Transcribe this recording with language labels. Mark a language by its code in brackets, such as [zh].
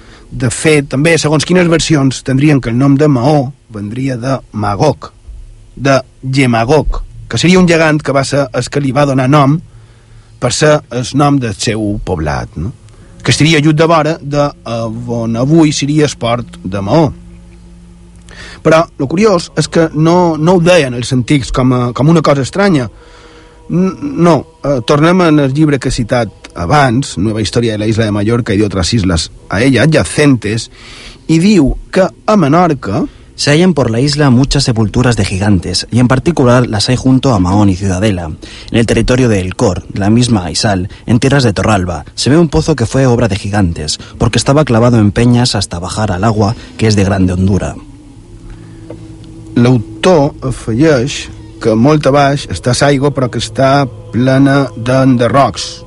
[ca] De fet, també, segons quines versions, tindrien que el nom de Mahó vendria de Magog, de Gemagog, que seria un gegant que va ser el que li va donar nom per ser el nom del seu poblat, no? Que estaria lluny de vora de on avui seria el port de Mahó. Però lo curiós és que no ho deien els antics com una cosa estranya. No, tornem en el llibre que he citat abans, Nueva Historia de la Isla de Mallorca y de otras islas a ella adyacentes, i diu que a Menorca [es] se hallan por la isla muchas sepulturas de gigantes, y en particular las hay junto a Mahón y Ciudadela. En el territorio de El Cor, la misma Aizal, en tierras de Torralba, se ve un pozo que fue obra de gigantes, porque estaba clavado en peñas hasta bajar al agua, que es de grande hondura. [ca] L'autor afegeix que molt a baix està l'aigua, però que està plena d'enderrocs.